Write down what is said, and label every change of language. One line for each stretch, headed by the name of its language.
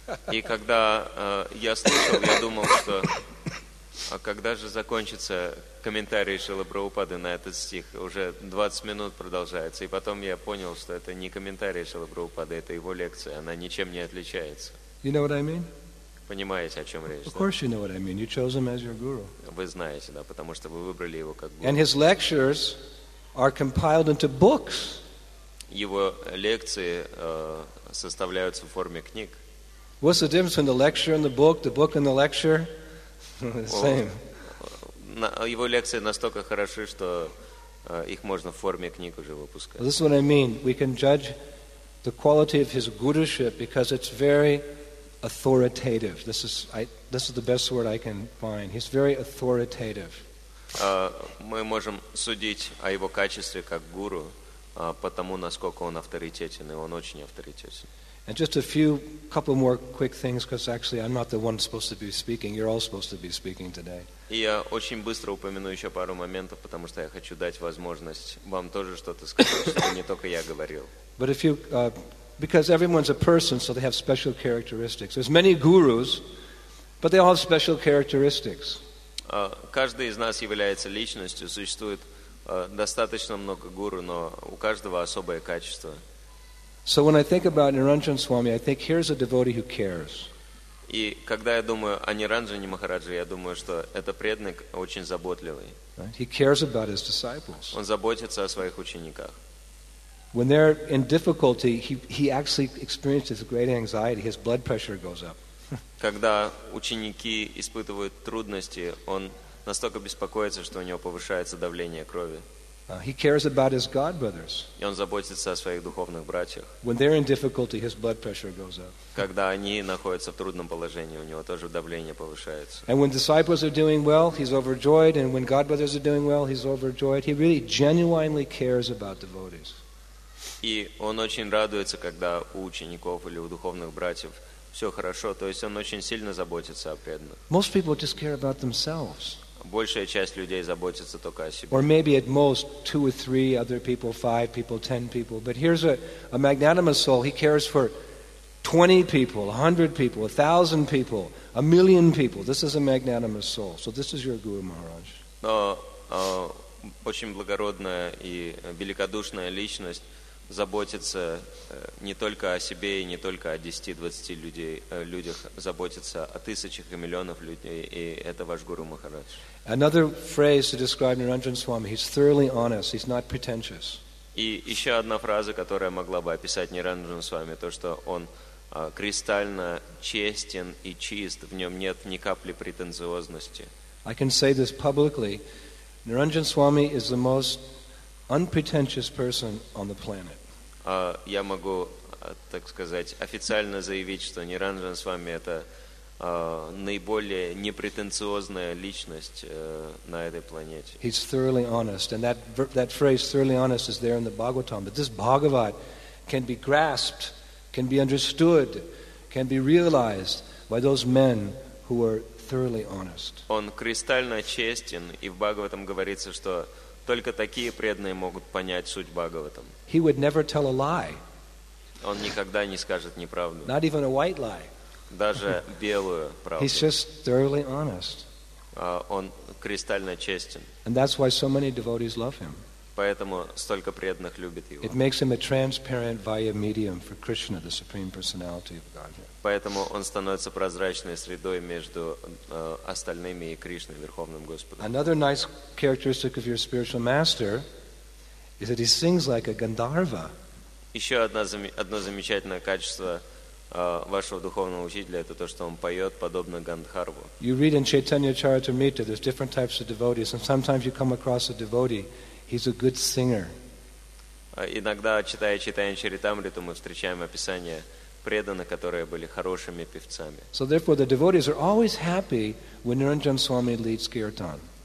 Russian: И когда я слышал, я думал, что а когда же закончится комментарий Шрилы Прабхупады на этот стих? Уже 20 минут продолжается. И потом я понял, что это не комментарий Шрилы Прабхупады, это его лекция. Она ничем не отличается.
English: You know what I mean?
Russian: Понимаете, о чем речь?
English: Of course you know what I mean. You chose him as your guru.
Russian: Вы знаете, да, потому что вы выбрали его как
English: guru. And his lectures are compiled into books.
Russian: Его лекции составляются в форме книг.
English: What's the difference between the lecture and the book and the lecture? Same.
Russian: Его лекции настолько хороши, что их можно в форме книг уже выпускать.
English: This is what I mean. We can judge the quality of his guruship because it's very authoritative. This is the best word I can find. He's very authoritative.
Russian: Мы можем судить о его качестве как гуру, потому насколько он авторитетен, и он очень авторитетен.
English: And just a few, couple more quick things, because actually I'm not the one supposed to be speaking. You're all supposed to be speaking today.
Russian: Я очень быстро упомяну еще пару моментов, потому что я хочу дать возможность вам тоже что-то сказать, чтобы не только я говорил.
English: But if you, because everyone's a person, so they have special characteristics. There's many gurus, but they all have special characteristics.
Russian: Каждый из нас является личностью. Существует достаточно много гуру, но у каждого особое качество.
English: So when I think about Niranjan Swami, I think here's a devotee who cares.
Russian: И когда я думаю о Ниранджане Махарадже, я думаю, что это преданник очень заботливый.
English: He cares about his disciples.
Russian: Он заботится о своих учениках.
English: When they're in difficulty, he actually experiences great anxiety. His blood pressure goes up.
Russian: Когда ученики испытывают трудности, он настолько беспокоится, что у него повышается давление крови.
English: He cares about his god brothers.
Russian: И он заботится о своих духовных братьях.
English: When they're in difficulty, his blood pressure goes up.
Russian: Когда они находятся в трудном положении, у него тоже давление повышается.
English: And when disciples are doing well, he's overjoyed. And when god brothers are doing well, he's overjoyed. He really genuinely cares about devotees.
Russian: И он очень радуется, когда у учеников или у духовных братьев все хорошо. То есть он очень сильно заботится о преданных.
English: Most people just care about themselves.
Russian: Большая часть людей заботится только о себе.
English: Or maybe at most two or three other people, five people, 10 people. But here's a magnanimous soul. He cares for 20 people, 100 people, 1,000 people, 1,000,000 people. This is a magnanimous soul. So this is your Guru Maharaj.
Russian: Но очень благородная и великодушная личность заботится не только о себе и не только о 10-20 людях, заботится о тысячах и миллионах людей, и это ваш Гуру Махарадж.
English: Another phrase to describe Niranjan Swami, he's thoroughly honest, he's not pretentious.
Russian: И еще одна фраза, которая могла бы описать Niranjan Swami, то, что он кристально честен и чист, в нем нет ни капли претенциозности.
English: I can say this publicly, Niranjan Swami is the most unpretentious person on the planet.
Russian: Я могу, так сказать, официально заявить, что Niranjan Swami – это наиболее непретенциозная личность на этой планете.
English: He's thoroughly honest. And that phrase, thoroughly honest, is there in the Bhagavatam. But this Bhagavat can be grasped, can be understood, can be realized by those men who are thoroughly honest.
Russian: Он кристально честен, и в Бхагаватам говорится, что только такие преданные могут понять суть Бхагаватам.
English: He would never tell a lie.
Russian: Он никогда не скажет неправду.
English: Not even a white lie.
Russian: Даже белую правду.
English: He's just thoroughly honest.
Russian: Он кристально честен.
English: And that's why so many devotees love him.
Russian: Поэтому столько преданных любит его.
English: It makes him a transparent via medium for Krishna, the Supreme Personality of Godhead.
Russian: Поэтому он становится прозрачной средой между остальными и Кришной, Верховным Господом.
English: Another nice characteristic of your spiritual master is that he sings like a Gandharva.
Russian: Еще одно замечательное качество вашего духовного учителя, это то, что он поет подобно Гандхарву.
English: You read in Chaitanya Charitamrita, there's different types of devotees, and sometimes you come across a devotee, he's a good singer.
Russian: Иногда, читая Чайтанья Чаритамриту, мы встречаем описание преданных, которые были хорошими певцами.
English: So therefore, the devotees are always happy when Niranjan Swami leads kirtan.